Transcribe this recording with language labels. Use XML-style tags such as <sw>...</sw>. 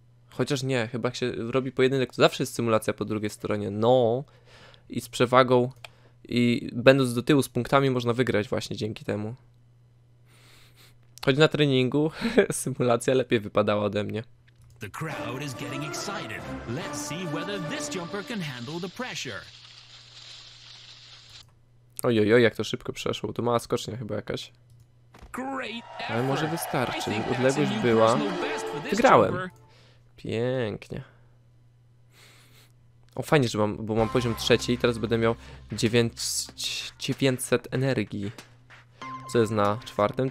<pl>Chociaż nie, chyba jak się robi pojedynek, to zawsze jest symulacja po drugiej stronie. No i z przewagą i będąc do tyłu z punktami można wygrać właśnie dzięki temu. Choć na treningu symulacja lepiej wypadała ode mnie.</pl> <en>The crowd is getting excited. Let's see whether this jumper can handle the pressure.</en> <pl>Ojoj, jak to szybko przeszło. To mała skocznia chyba jakaś. Ale może wystarczy. Odległość była. Wygrałem. Pięknie. O, fajnie, że mam, bo mam poziom trzeci i teraz będę miał 900 energii. Co jest na czwartym?</pl>